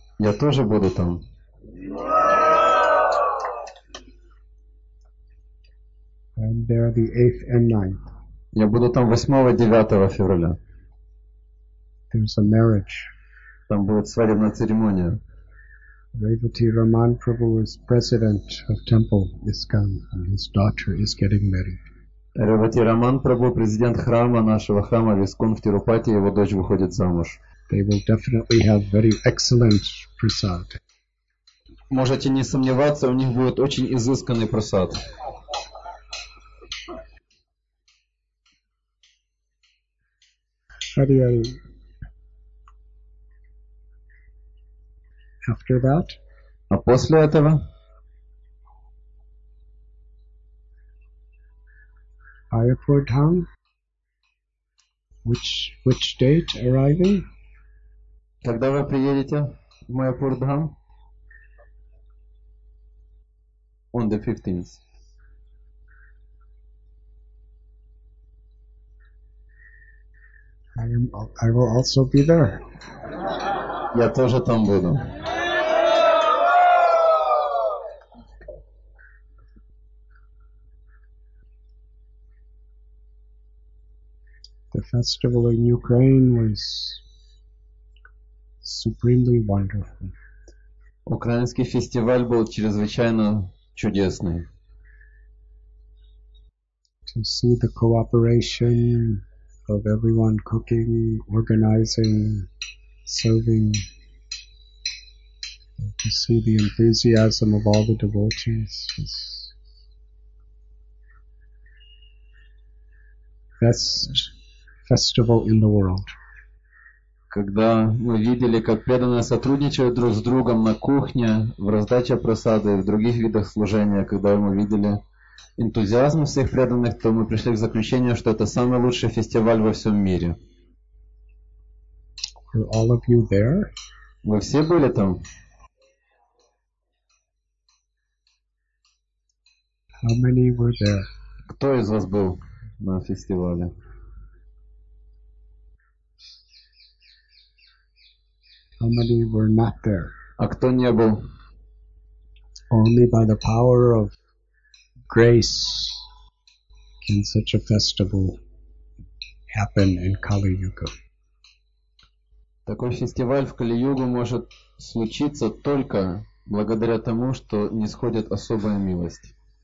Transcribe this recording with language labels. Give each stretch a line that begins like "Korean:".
Russian: Я тоже буду там.
English: I am there the 8th and 9th.
Russian: Я буду там 8 и 9 февраля.
English: There's a marriage.
Russian: Там будет свадебная церемония.
English: Revati Raman Prabhu is president of Temple ISKCON and his daughter is getting married.
Russian: Revati Raman Prabhu, президент храма нашего храма ISKCON в Тирупати, его дочь выходит замуж.
English: They will definitely have very excellent prasad.
Russian: Можете не сомневаться, у них будет очень изысканный просад.
English: After that?
Russian: А после этого?
English: Ayapur Dham? Which date arriving?
Russian: Когда вы приедете в Майяпур Дхам?
English: On the 15th. I will also be there.
Russian: Я тоже там буду.
English: The festival in Ukraine was supremely wonderful.
Russian: Украинский фестиваль был чрезвычайно чудесный.
English: To see the cooperation of everyone cooking, organizing, serving. To see the enthusiasm of all the devotees. Best festival in the world.
Russian: Когда мы видели, как преданные сотрудничают друг с другом на кухне, в раздаче просады и в других видах служения, когда мы видели энтузиазм всех преданных, то мы пришли к заключению, что это самый лучший фестиваль во всем мире.
English: Were all of you there?
Russian: Вы все были там?
English: How many were there?
Russian: Кто из вас был на фестивале?
English: How many were not there?
Russian: А кто не был?
English: Only by the power of grace can such a festival happen in Kali-Yuga.
Russian: Такой фестиваль в Кали-Югу может случиться только благодаря тому, что нисходит особая милость.